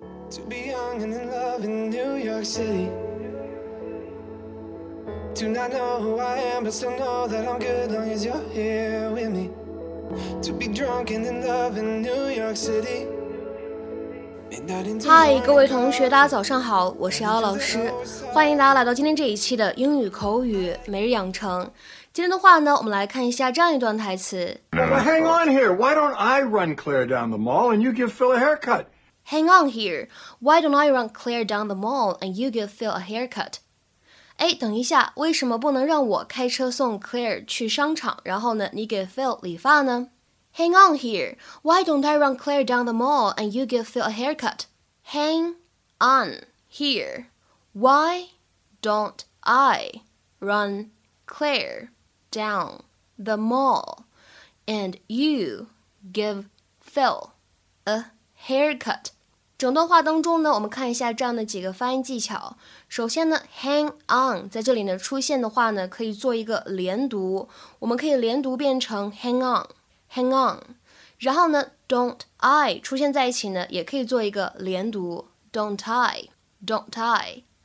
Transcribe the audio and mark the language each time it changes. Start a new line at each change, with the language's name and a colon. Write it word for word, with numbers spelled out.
English: To be young and in love in New York City. Do not know who I am, but still know that I'm good long as you're here with me. To be drunk and in love in New York City.
Chinese: 嗨，各位同学，大家早上好，我是姚老师，欢迎大家来到今天这一期的英语口语每日养成。今天的话呢，我们来看一下这样一段台词。
English: Well, hang on here. Why don't I run Claire down the mall and you give Phil a haircut? Hang on here. Why don't I run Claire down the mall and you give Phil a haircut?
Chinese: 哎，等一下，为什么不能让我开车送 Claire 去商场，然后呢，你给 Phil 理发呢？
English: Hang on here. Why don't I run Claire down the mall and you give Phil a haircut? Hang on here. Why don't I run Claire down the mall and you give Phil a haircut?
Chinese: 整段话当中呢，我们看一下这样的几个发音技巧。首先呢 ，hang on 在这里呢出现的话呢，可以做一个连读，我们可以连读变成 hang on。 Hang on， 然后呢 ，don't I 出现在一起呢，也可以做一个连读 ，don't I，don't I。